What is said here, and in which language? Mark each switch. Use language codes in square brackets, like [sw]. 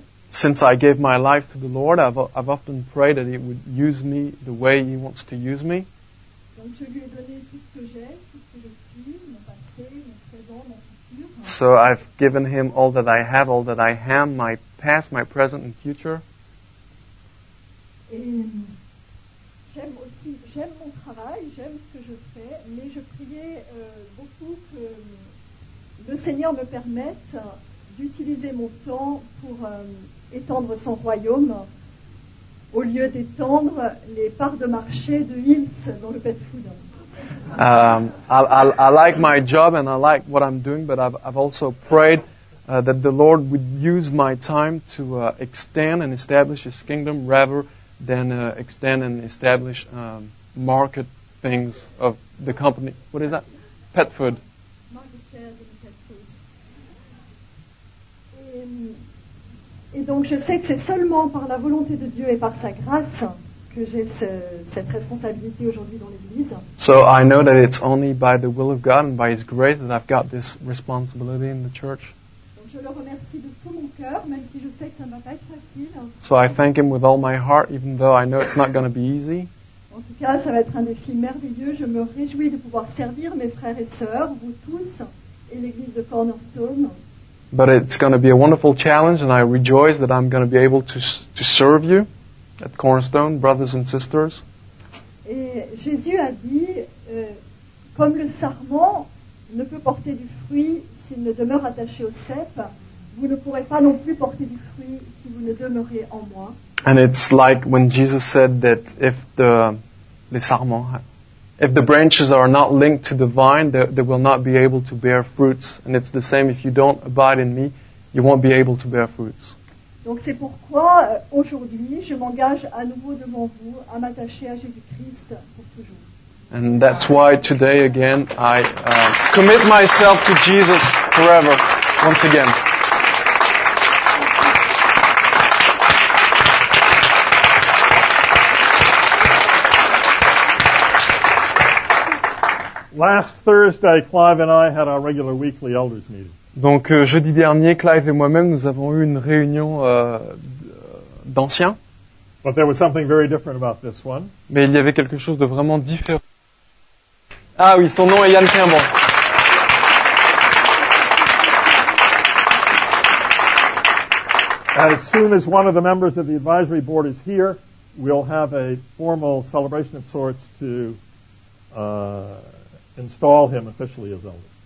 [en] Since I gave my life to the Lord, I've often prayed that He would use me the way He wants to use me. [fr] Donc je lui ai donné tout ce que j'ai, tout ce que je suis, mon passé, mon présent, mon futur. [en] So I've given him all that I have, all that I am, my past, my present, and future. [fr] J'aime mon travail, j'aime ce que je fais, mais je priais beaucoup que le Seigneur me permette d'utiliser mon temps pour étendre son royaume au lieu d'étendre les parts de marché de Hills dans le pet food. [en] I like my job and I like what I'm doing, but I've also prayed that the Lord would use my time to extend and establish His kingdom rather than extend and establish market things of the company. What is that? Pet food. Market shares in pet food. [fr] Et donc je sais que c'est seulement par la volonté de Dieu et par sa grâce que j'ai cette responsabilité aujourd'hui dans l'église. [en] So I know that it's only by the will of God and by His grace that I've got this responsibility in the church. [fr] Donc je le remercie de tout mon cœur, même si je sais que ça ne va pas être facile. [en] So I thank Him with all my heart, even though I know it's not going to be easy. [fr] En tout cas, ça va être un défi merveilleux. Je me réjouis de pouvoir servir mes frères et sœurs, vous tous, et l'église de Cornerstone. [en] But it's going to be a wonderful challenge, and I rejoice that I'm going to be able to serve you at Cornerstone, brothers and sisters. [fr] Et Jésus a dit, comme le sarment ne peut porter du fruit s'il ne demeure attaché au cep, vous ne pourrez pas non plus porter du fruit si vous ne demeurez en moi. [en] And it's like when Jesus said that if the [fr] les sarments, [en] if the branches are not linked to the vine, they will not be able to bear fruits. And it's the same, if you don't abide in me, you won't be able to bear fruits. [fr] Donc c'est pourquoi aujourd'hui je m'engage à nouveau devant vous à m'attacher à Jésus-Christ pour toujours. [en] And that's why today again I commit myself to Jesus forever, once again. Last Thursday, Clive and I had our regular weekly elders meeting. [fr] Donc jeudi dernier, Clive et moi-même, nous avons eu une réunion d'anciens. [en] But there was something very different about this one. [fr] Mais il y avait quelque chose de vraiment différent. Ah oui, son nom est Yann Kimball. [en] As soon as one of the members of the advisory board is here, we'll have a formal celebration of sorts to install him officially as elder.